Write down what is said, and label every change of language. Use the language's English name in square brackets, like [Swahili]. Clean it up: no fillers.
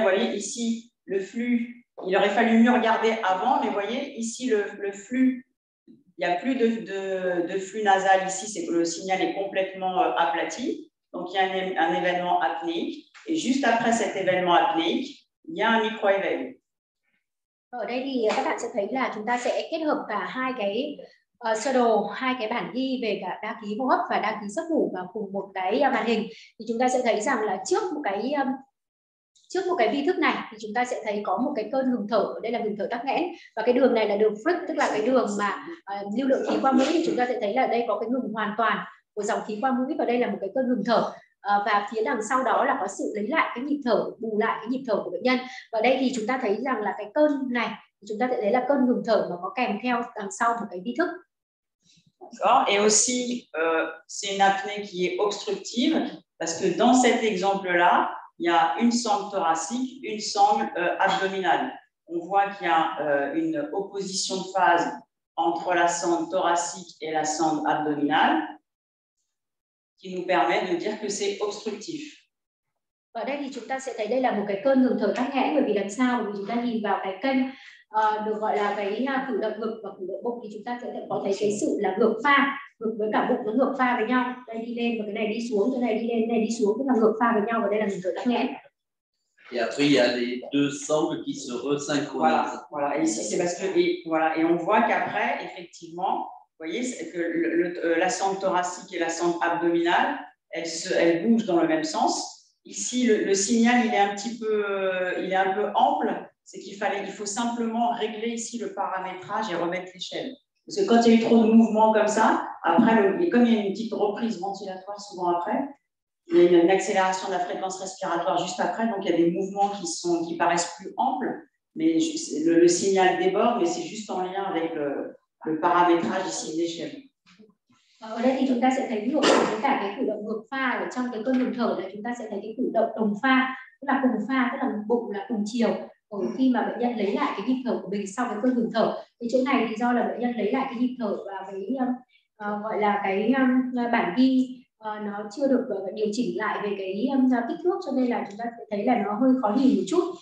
[French] Vous voyez ici, le flux, il aurait fallu mieux regarder avant, mais vous voyez ici, le flux, il n'y a plus de flux nasal ici, c'est que le signal est complètement aplati. Donc, il y a un événement apnéique. Et juste après cet événement apnéique, il y a un micro-éveil. [Vietnamese] Ở đây thì các bạn sẽ thấy là chúng ta sẽ kết hợp cả hai cái sơ đồ, hai cái bản ghi về cả đa ký hô hấp và đa ký giấc ngủ vào cùng một cái màn hình. Thì chúng ta sẽ thấy rằng là trước một cái vi thức này thì chúng ta sẽ thấy có một cái cơn ngừng thở, đây là ngừng thở tắc nghẽn, và cái đường này là đường Frick, tức là cái đường mà lưu lượng khí qua mũi. Thì chúng ta sẽ thấy là đây có cái ngừng hoàn toàn của dòng khí qua mũi, và đây là một cái cơn ngừng thở. Và phía đằng sau đó là có sự lấy lại cái nhịp thở, bù lại cái nhịp thở của bệnh nhân. Và đây thì chúng ta thấy rằng là cái cơn này, chúng ta sẽ thấy là cơn ngừng thở mà có kèm theo đằng sau một cái vi thức. [French] D'accord. Et aussi, c'est une apnée qui est obstructive, parce que dans cet exemple-là, il y a une sangle thoracique, une sangle abdominale. On voit qu'il y a une opposition de phase entre la sangle thoracique et la sangle abdominale, qui nous permet de dire que c'est obstructif. [Vietnamese] Và đây thì chúng ta sẽ thấy đây là một cái cơn ngừng thở tắc nghẽn, bởi vì làm sao? Bởi vì chúng ta nhìn vào cái kênh được gọi là cái cử động ngực và cử động bụng, thì chúng ta sẽ có thấy cái sự là ngược pha, ngực với cả bụng nó ngược pha với nhau. Đây đi lên và cái này đi xuống, cái này đi lên, cái này đi xuống, tức là ngược pha với nhau, và đây là ngừng thở tắc nghẽn. [French] Et après, il y a les deux sangles qui se resynchronisent. Voilà, voilà. Et ici, c'est parce que, et on voit qu'après, effectivement, vous voyez, c'est que la sangle thoracique et la sangle abdominale, elles bougent dans le même sens. Ici, le signal, il est un peu ample. C'est qu'il faut simplement régler ici le paramétrage et remettre l'échelle. Parce que quand il y a eu trop de mouvements comme ça, après, comme il y a une petite reprise ventilatoire souvent après, il y a une accélération de la fréquence respiratoire juste après, donc il y a des mouvements qui paraissent plus amples, mais le signal déborde, mais c'est juste en lien avec le paramétrage ici de l'échelle. [Vietnamese] Ở đây thì chúng ta sẽ thấy ví dụ với cả cái cử động ngược pha ở trong cái cơn ngừng thở, là chúng ta sẽ thấy cái cử động đồng pha, tức là cùng pha, tức là bụng là cùng chiều. Ở khi mà bệnh nhân lấy lại cái nhịp thở của mình sau cái cơn ngừng thở, thì chỗ này thì do là bệnh nhân lấy lại cái nhịp thở và bản ghi nó chưa được điều chỉnh lại về cái kích thước, cho nên là chúng ta sẽ thấy là nó hơi khó nhìn một chút.